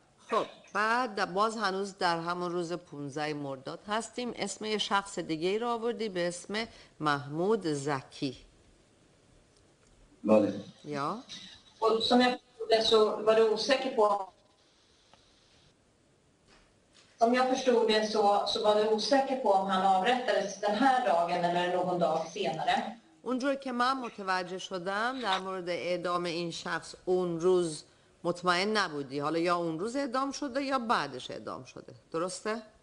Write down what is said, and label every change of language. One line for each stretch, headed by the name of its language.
Persian: خب بعد باز هنوز در همون روز 15 مرداد هستیم، اسم یه شخص دیگه رو آوردی به اسم محمود زکی. بله. یا و
Swedish: som jag förstod så var du osäker på. Om jag förstod det så var du osäker på om han avrättades den här dagen eller någon dag senare.
Persian: اونجور که من متوجه شدم در مورد اعدام این شخص اون روز مطمئن نبودی، حالا یا اون روز اعدام شده یا بعدش اعدام شده، درسته؟